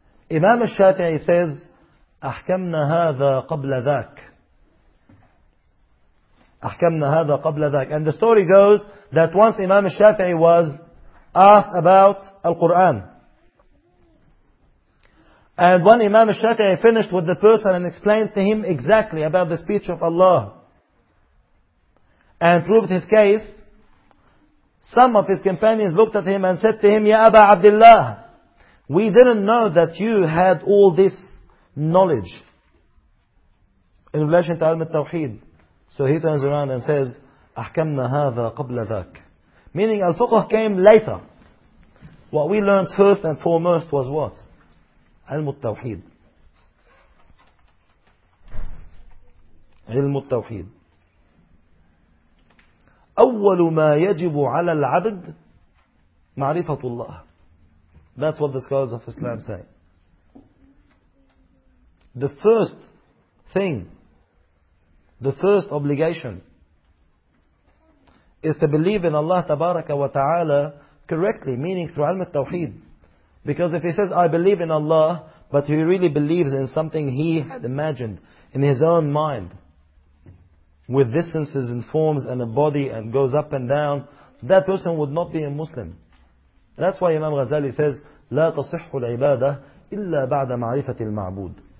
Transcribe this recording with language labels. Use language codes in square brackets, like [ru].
[en] Imam al-Shafi'i says, [ar] أَحْكَمْنَا هَذَا قَبْلَ ذَاكَ أَحْكَمْنَا هَذَا قَبْلَ ذَاكَ. [en] And the story goes that once Imam al-Shafi'i was asked about Al-Quran, and when Imam al-Shafi'i finished with the person and explained to him exactly about the speech of Allah and proved his case, some of his companions looked at him and said to him, Ya Aba Abdullah, we didn't know that you had all this knowledge in relation to Ilm al-Tawheed. So he turns around and says, [ar] أَحْكَمْنَا هَذَا قَبْلَ ذَاكَ. [en] Meaning Al-Fuqh came later. What we learned first and foremost was what? [ar] Ilm al-Tawheed. Ilm al-Tawheed. أول ما يجب على العبد معرفة الله. [en] That's what the scholars of Islam say. The first thing, the first obligation, is to believe in Allah tabaraka wa ta'ala correctly, meaning through Ilm al-Tawheed. Because if he says, I believe in Allah, but he really believes in something he had imagined in his own mind, with distances and forms and a body and goes up and down, that person would not be a Muslim. That's why Imam Ghazali says, [ar] لا تصح العبادة إلا بعد معرفة المعبود.